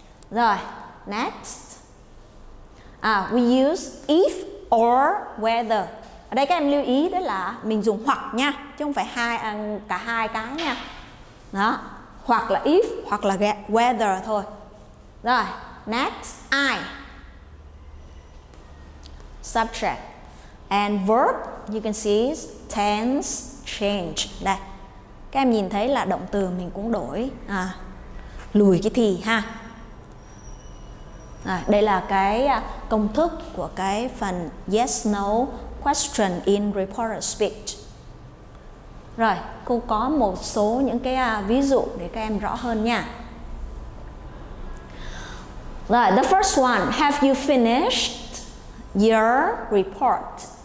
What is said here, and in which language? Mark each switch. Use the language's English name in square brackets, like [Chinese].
[English] Rồi, next. We use if or whether. [Vietnamese] Ở đây các em lưu ý đó là mình dùng hoặc nha, chứ không phải hai cả hai cái nha. Đó, hoặc là if hoặc là whether thôi. [English] Rồi, next, I. Subject and verb, you can see tense change. [Vietnamese] Đây, các em nhìn thấy là động từ mình cũng đổi lùi cái thì ha. Đây là cái công thức của cái phần [English] yes no question in reported speech. [Vietnamese] Rồi, cô có một số những cái ví dụ để các em rõ hơn nha. [English] Rồi, the first one, have you finished your report?